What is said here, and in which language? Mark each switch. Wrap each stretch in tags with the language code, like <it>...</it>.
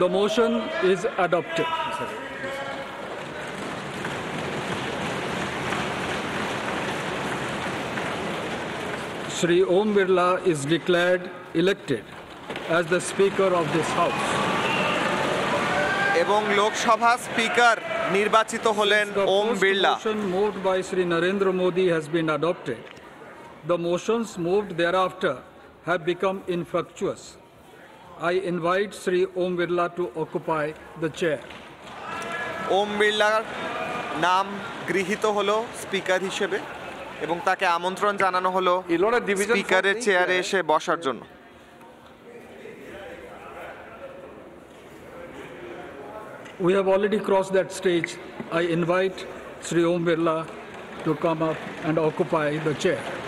<en>The motion is adopted. Sri Om Birla is declared elected as the Speaker of this House.</en> <bn>এবং Lok Sabha speaker নির্বাচিত হলেন Om Birla.</bn> <en>The motion moved by Sri Narendra Modi has been adopted. The motions moved thereafter have become infructuous. I invite Sri Om Birla to occupy the chair.</en> <bn>ওম বিড়লার নাম গৃহীত হলো speaker হিসেবে এবং তাকে আমন্ত্রণ জানানো হলো স্পিকারের চেয়ারে এসে বসার জন্য।</bn> <en>We have already crossed that stage. I invite Sri Om Birla to come up and occupy the chair.</en>